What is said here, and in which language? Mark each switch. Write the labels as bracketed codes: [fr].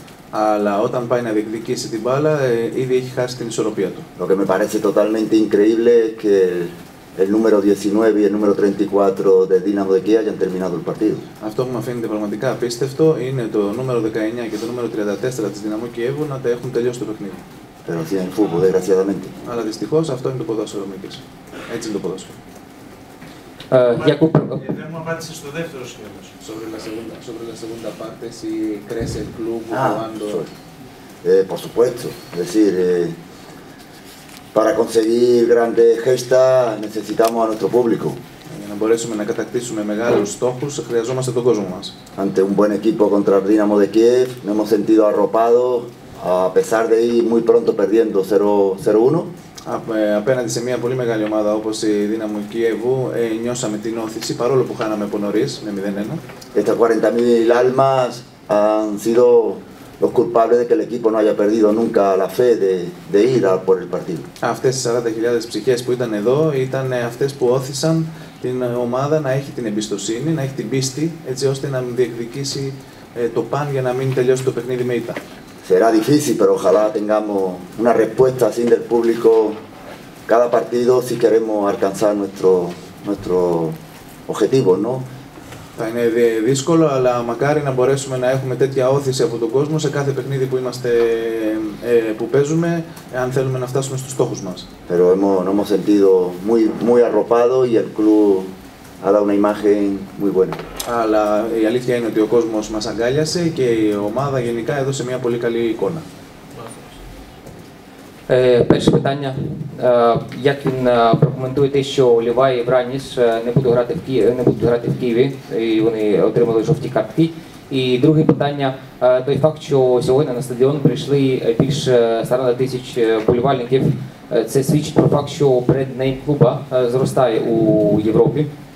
[el] Αλλά όταν πάει να διεκδικήσει την μπάλα, ήδη έχει χάσει την ισορροπία του. [es] Lo que me parece totalmente increíble es que el número 19 y el número 34 de Dinamo de Kiev hayan terminado el partido. [el] Αυτό που με αφήνεται πραγματικά απίστευτο είναι το νούμερο 19 και το νούμερο 34 της Δυναμού Κιέβου να τα έχουν τελειώσει το παιχνίδι. [es] Pero así es el fútbol, desgraciadamente. [el] Αλλά δυστυχώς αυτό είναι το ποδόσφαιρο, Μίκης. Έτσι είναι το ποδόσφαιρο. Γιακού, δεν μου απάντησε στο δεύτερο σχέδιο. [es] Sobre la segunda parte, si crece el club jugando... Por supuesto. Es decir, para conseguir grandes gestas necesitamos a nuestro público. [el] Για να μπορέσουμε να κατακτήσουμε μεγάλους στόχους, χρειαζόμαστε τον κόσμο μας. [es] Ante un buen equipo contra el Dinamo de Kiev, nos hemos sentido arropados, a pesar de ir muy pronto perdiendo 0-1. [el] Απέναντι σε μια πολύ μεγάλη ομάδα όπως η Δύναμη Κιέβου, νιώσαμε την όθηση, παρόλο που χάναμε από νωρίς, με 0-1. [es] Estas 40.000 almas han sido los culpables de que el equipo no haya perdido nunca la fe de ir a por el partido. [el] Αυτές οι 40.000 ψυχές που ήταν εδώ ήταν αυτές που όθησαν την ομάδα να έχει την εμπιστοσύνη, να έχει την πίστη, έτσι ώστε να διεκδικήσει το παν για να μην τελειώσει το παιχνίδι με ήττα. [es] Será difícil, pero ojalá tengamos una respuesta así del público cada partido si queremos alcanzar nuestro objetivo, ¿no? [el] Θα είναι δύσκολο, αλλά μακάρι να μπορέσουμε να έχουμε τέτοια όθηση από τον κόσμο σε κάθε παιχνίδι που είμαστε, που παίζουμε, αν θέλουμε να φτάσουμε στους στόχους μας. [es] Pero hemos sentido muy arropado y el club ha dado una imagen muy buena. [el] Αλλά η αλήθεια είναι ότι ο κόσμος μας αγκάλιασε και η ομάδα γενικά έδωσε μια πολύ καλή εικόνα. [uk] Перше питання. Як він прокоментуєте, що Ліваї і Браніс не будуть грати в Києві, і вони отримали жовті картки, І друге питання, той факт, що сьогодні на стадіон прийшли більше 40 тисяч вболівальників, це свідчить про факт, що бренд-нейм клуба зростає у Європі.